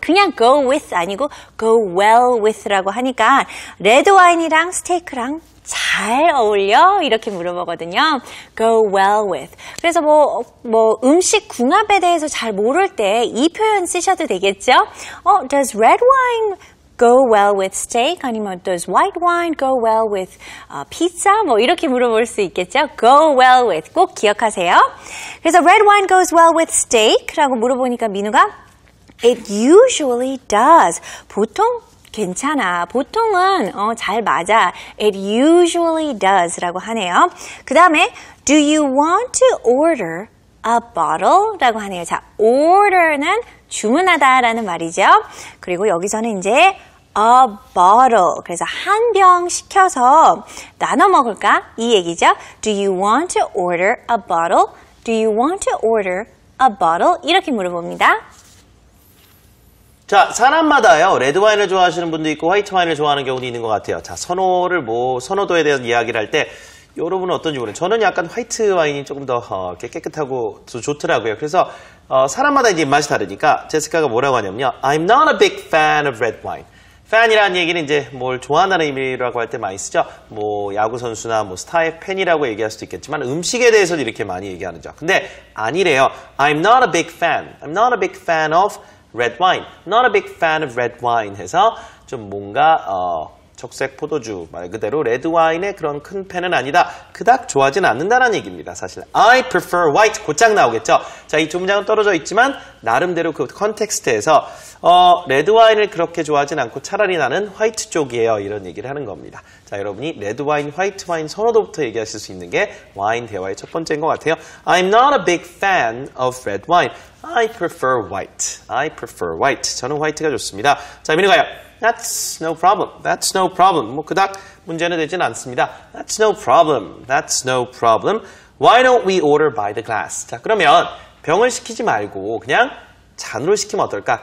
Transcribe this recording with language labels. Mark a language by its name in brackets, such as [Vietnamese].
[Korean] 그냥 go with 아니고 [English] go well with [Korean] 라고 하니까 레드 와인이랑 스테이크랑 잘 어울려? 이렇게 물어보거든요. [English] Go well with. [Korean] 그래서 뭐 음식 궁합에 대해서 잘 모를 때 이 표현 쓰셔도 되겠죠? [English] Does red wine go well with steak? 아니면 does white wine go well with pizza? [Korean] 뭐 이렇게 물어볼 수 있겠죠? [English] Go well with. [Korean] 꼭 기억하세요. 그래서 [English] red wine goes well with steak [Korean] 라고 물어보니까 민우가 [English] It usually does. [Korean] 보통 괜찮아. 보통은 잘 맞아. [English] It usually does [Korean] 라고 하네요. 그 다음에 [English] Do you want to order a bottle? [Korean] 라고 하네요. 자, order는 주문하다 라는 말이죠. 그리고 여기서는 이제 a bottle. 그래서 한 병 시켜서 나눠 먹을까? 이 얘기죠. [English] Do you want to order a bottle? Do you want to order a bottle? [Korean] 이렇게 물어봅니다. 자, 사람마다요, 레드 와인을 좋아하시는 분도 있고, 화이트 와인을 좋아하는 경우도 있는 것 같아요. 자, 선호도에 대한 이야기를 할 때, 여러분은 어떤지 모르죠. 저는 약간 화이트 와인이 조금 더, 이렇게 깨끗하고 좋더라고요. 그래서, 사람마다 이제 입맛이 다르니까, 제시카가 뭐라고 하냐면요. [English] I'm not a big fan of red wine. [Korean] fan이라는 얘기는 이제 뭘 좋아한다는 의미라고 할 때 많이 쓰죠. 뭐, 야구선수나 뭐, 스타의 팬이라고 얘기할 수도 있겠지만, 음식에 대해서도 이렇게 많이 얘기하는죠. 근데, 아니래요. [English] I'm not a big fan. I'm not a big fan of red wine. Not a big fan of red wine [Korean] 해서 좀 뭔가 적색 포도주 말 그대로 레드 와인의 그런 큰 팬은 아니다. 그닥 좋아하진 않는다는 얘기입니다. 사실 [English] I prefer white [Korean] 곧장 나오겠죠. 자, 이 두 문장은 떨어져 있지만 나름대로 그 컨텍스트에서 레드 와인을 그렇게 좋아하진 않고 차라리 나는 화이트 쪽이에요. 이런 얘기를 하는 겁니다. 자, 여러분이 레드 와인, 화이트 와인 선호도부터 얘기하실 수 있는 게 와인 대화의 첫 번째인 것 같아요. [English] I'm not a big fan of red wine. I prefer white. I prefer white. [Korean] 저는 화이트가 좋습니다. 자, 민우가요. [English] That's no problem. That's no problem. [Korean] 뭐 그닥 문제는 되진 않습니다. That's no problem. [English] That's no problem. Why don't we order by the glass? [Korean] 자, 그러면 병을 시키지 말고 그냥 잔으로 시키면 어떨까?